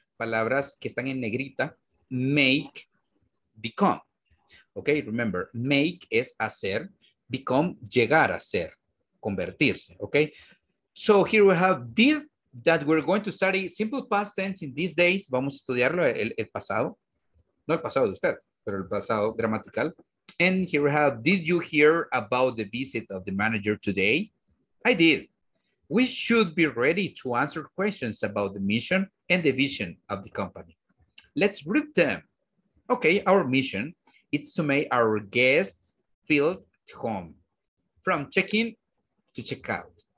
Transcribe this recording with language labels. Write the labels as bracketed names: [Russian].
[Spanish] Palabras que están en negrita, make, become. Okay, remember, make es hacer, become, llegar a ser, convertirse, okay? [English] So, here we have did that we're going to study simple past tense in these days. [Spanish] Vamos a estudiarlo, el pasado, no el pasado de ustedes. Pero el pasado gramatical. [English] And here we have, did you hear about the visit of the manager today? I did. We should be ready to answer questions about the mission and the vision of the company. Let's read them. Okay, our mission is to make our guests feel at home, from check-in to check-out.